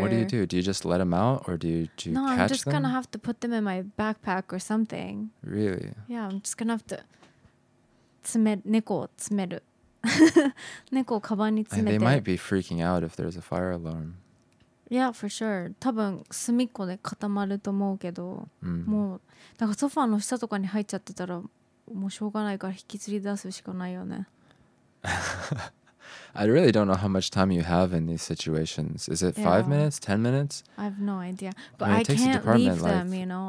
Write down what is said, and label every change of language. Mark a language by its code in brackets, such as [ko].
[en] What do? Do you just let them out or do you catch them? No, I'm just going to have to put them in my backpack or something. Really? Yeah, I'm just going to have to... [ja] 猫を詰める。猫をカバンに詰めて。 [en] They might be freaking out if there's a fire alarm. Yeah, for sure. [ja] 多分隅っこで固まると思うけど、もう、なんかソファーの下とかに入っちゃってたら、もうしょうがないから引きずり出すしかないよね。 [en] I really don't know how much time you have in these situations. Is it 5 minutes, 10 minutes? I have no idea. But I mean, I can't leave them, like, you know?